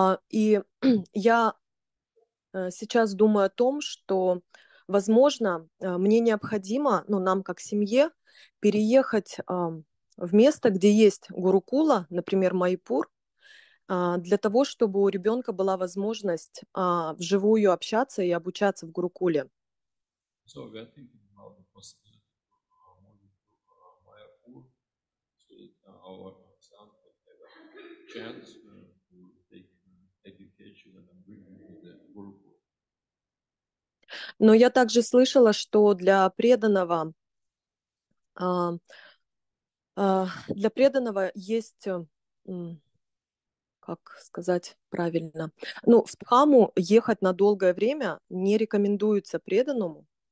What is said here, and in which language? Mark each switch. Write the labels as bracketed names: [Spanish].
[Russian] И я сейчас думаю о том, что, возможно, мне необходимо, ну, нам как семье, переехать в место, где есть гурукула, например, Майпур, для того, чтобы у ребенка была возможность вживую общаться и обучаться в гурукуле. [English] So we are thinking about the possibility of moving to Майпур, so that our son could have a chance to take education and bring him to the гурукула. [Russian] Но я также слышала, что для преданного для преданного есть, как сказать правильно, ну, в Дхаму ехать на долгое время не рекомендуется преданному,